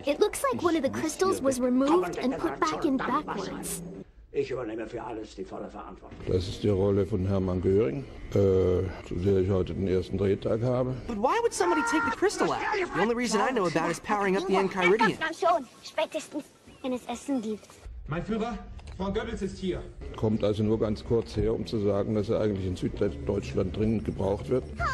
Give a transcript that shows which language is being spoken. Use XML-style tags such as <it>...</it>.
<en>It looks like one of the crystals was removed and put back in backwards.</en> <de>Das ist die Rolle von Hermann Göring, zu der ich heute den ersten Drehtag habe.</de> <en>But why would somebody take the crystal out? The only reason I know about is powering up the Enchiridion.</en> <de>Spätestens, wenn es Essen gibt. Mein Führer, Frau Goebbels ist hier. Kommt also nur ganz kurz her, um zu sagen, dass er eigentlich in Süddeutschland dringend gebraucht wird.</de>